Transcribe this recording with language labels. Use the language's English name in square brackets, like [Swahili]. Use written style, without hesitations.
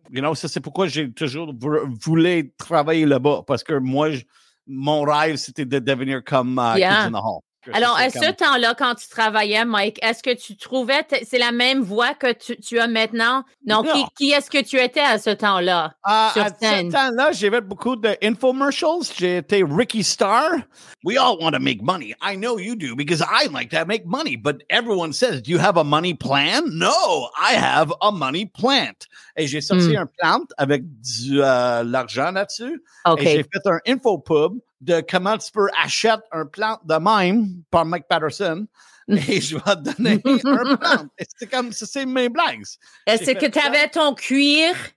[English] You know, [French] ça, c'est pourquoi j'ai toujours voulu travailler là-bas, parce que moi, mon rêve, c'était de devenir comme Kids in the Hall. Alors, à ce temps-là, quand tu travaillais, Mike, est-ce que tu trouvais c'est la même voix que tu as maintenant? Non, non. Qui est-ce que tu étais à ce temps-là? Sur scène? À ce temps-là, j'avais beaucoup d'infomercials. J'étais Ricky Starr. [English] We all want to make money. I know you do because I like to make money. But everyone says, do you have a money plan? No, I have a money plant. [French] Et j'ai sorti un plant avec l'argent là-dessus. [English] Okay. [French] Et j'ai fait un info pub. De comment tu peux acheter un plant de même par Mike Patterson et je vais te donner un plant. C'est comme ça, c'est mes blagues. Est-ce que tu avais ton cuir